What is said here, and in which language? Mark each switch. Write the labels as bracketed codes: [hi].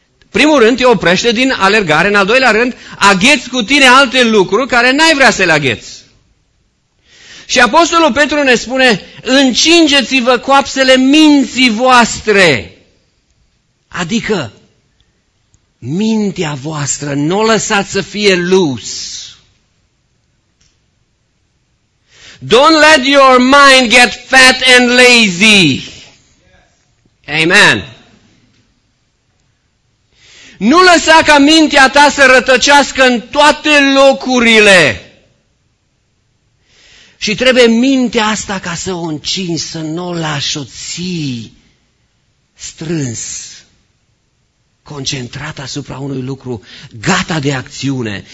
[ro] Primul rând, te oprește din alergare. În al doilea rând, agheți cu tine alte lucruri care n-ai vrea să le agheți. Și Apostolul Petru ne spune, încingeți-vă coapsele minții voastre. Adică, mintea voastră, n-o lăsați să fie loose. [en] Don't let your mind get fat and lazy. Amen. [ro] Nu lăsa ca mintea ta să rătăcească în toate locurile. Și trebuie mintea asta ca să o încingi, să nu o lași, o ții strâns, concentrat asupra unui lucru, gata de acțiune.